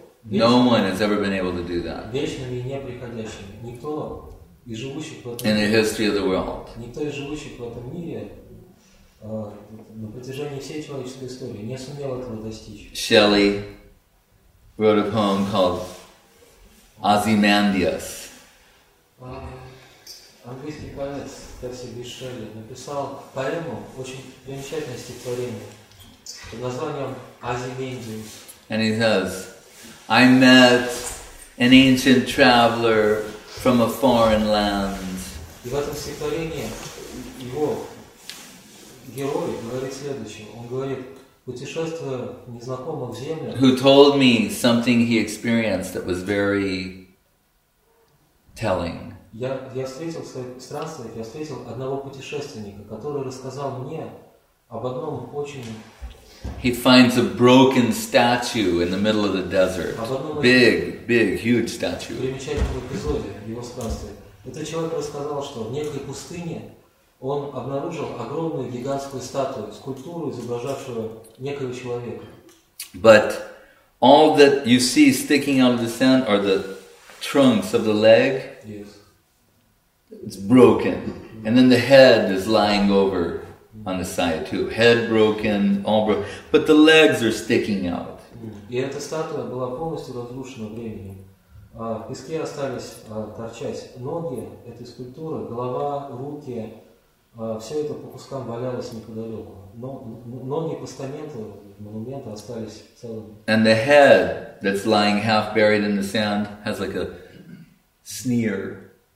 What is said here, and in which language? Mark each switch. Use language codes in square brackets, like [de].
[en] No one has ever been able to do that. In the history of the world. [ru] На протяжении всей человеческой истории не сумел этого достичь. [en] Shelley wrote a poem called Ozymandias. [ru] Английский поэт Перси Шелли написал поэму очень примечательное стихотворение под названием Ozymandias. [en] And he says, I met an ancient traveler from a foreign land. [ru] И в этом стихотворении его герой говорит следующее. Он говорит, путешествуя в незнакомых землях. [en] Who told me something he experienced that was very telling. [ru] Я встретил в своих странствиях, я встретил одного путешественника, который рассказал мне об одном очень. [en] He finds a broken statue in the middle of the desert. Big, huge statue. [ru] Примечательный эпизод его странствия. Этот человек рассказал, что в некой пустыне он обнаружил огромную гигантскую статую, скульптуру, изображавшую некого человека. [en] But all that you see sticking out of the sand are the trunks of the leg. Yes. It's broken. Mm-hmm. And then the head is lying over on the side too. Head broken, all broken. But the legs are sticking out. [ru] Mm-hmm. И эта статуя была полностью разрушена временем. В песке остались торчать ноги этой скульптуры, голова, руки. Все это по кускам валялось неподалеку. Ноги постамента, монумента остались целыми. [en] And the head that's lying half buried in the sand has like a sneer.